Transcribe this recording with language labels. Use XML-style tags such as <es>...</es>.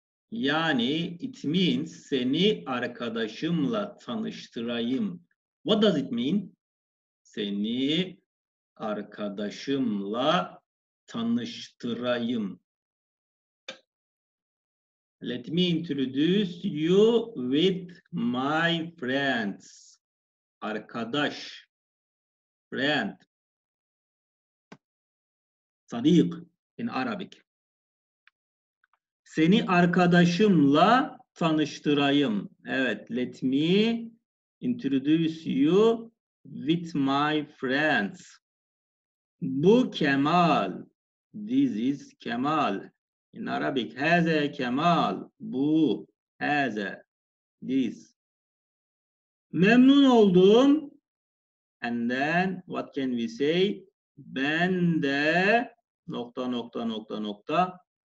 <en>Yani it means</en> <tr>seni arkadaşımla tanıştırayım.</tr> <en>What does it mean?</en> <tr>Seni arkadaşımla tanıştırayım.</tr> <en>Let me introduce you with my friends.</en> <tr>Arkadaş. Friend.</tr> <en>Sadiq in Arabic.</en> <tr>Seni arkadaşımla tanıştırayım.</tr> <en>Evet, let me introduce you with my friends.</en> <tr>Bu Kemal.</tr> <en>This is Kemal. In Arabic, هذا Kemal.</en> <tr>Bu, هذا, this. Memnun oldum.</tr> <en>And then, what can we say?</en> <tr>Ben de, nokta, nokta, nokta, nokta.</tr>